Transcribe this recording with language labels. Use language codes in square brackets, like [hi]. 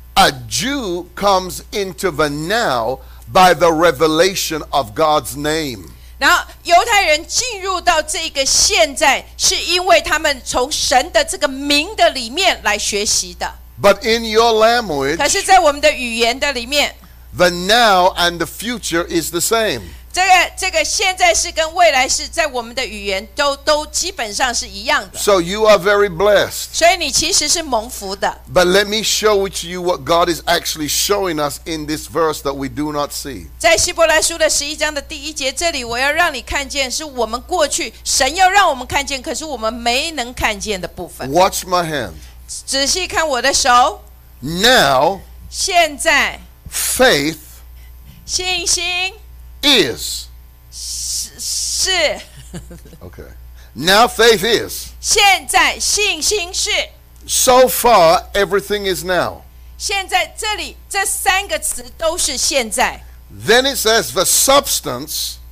[en] A Jew comes into the now by the revelation of God's name. [zh] 然后犹太人进入到这个现在是因为他们从神的这个名的里面来学习的 [en] But in your language [zh] 可是在我们的语言的里面 [en] The now and the future is the same. [zh] 这个现在是跟未来是在我们的语言 都基本上是一样的。 [en] So you are very blessed. [zh] 所以你其实是蒙福的。 [en] But let me show to you what God is actually showing us in this verse that we do not see. [zh] 在希伯来书的十一章的第一节，这里我要让你看见，是我们过去神要让我们看见，可是我们没能看见的部分。 [en] Watch my hand. [zh] 仔细看我的手。 [en] Now. [zh] 现在。 [en] Faith. [zh] 信心。 [en] Is. [zh] 是 [en] Okay. Now faith is. [zh] 现在信心是 [en] So far, everything is now. [zh] 现在这里这三个词都是现在 [en] Then it says the substance.